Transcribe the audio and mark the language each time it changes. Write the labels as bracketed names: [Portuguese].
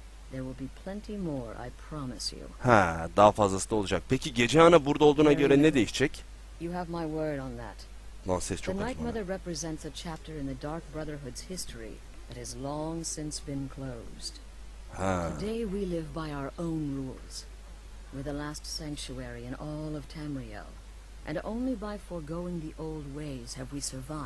[English] There will be plenty more, I promise you. [Turkish] Ha, daha fazlası da olacak. Peki gece ana burada olduğuna göre ne değişecek? [English] You have my word on that. [Turkish] Lan ses çok açık. [English] The Nightmother represents a chapter in the Dark Brotherhood's history that has long since been closed. Ha. Today we live by our own rules. We're the last sanctuary in all of Tamriel. And only by foregoing the old ways have we survived.